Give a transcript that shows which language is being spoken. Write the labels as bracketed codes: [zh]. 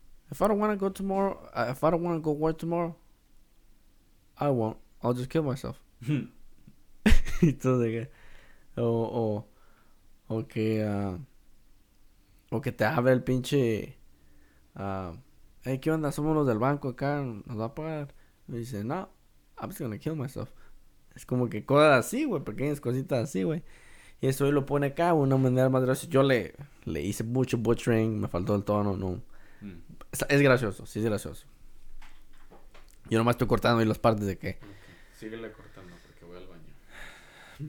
[en] If I don't want to go tomorrow, if I don't want to go work tomorrow, I won't. I'll just kill myself. [es] Entonces, o que te abre el pinche, hey, ¿qué onda? Somos los del banco acá, nos va a pagar. Me dice, no, [en] I'm just gonna kill myself. [es] Es como que cosas así, güey, pequeñas cositas así, güey. Y eso hoy lo pone acá, una manera más graciosa. Yo le hice mucho butchering, me faltó el tono, no. Es gracioso, sí es gracioso. Yo nomás estoy cortando ahí las partes de que. Okay. Síguele cortando porque voy al baño.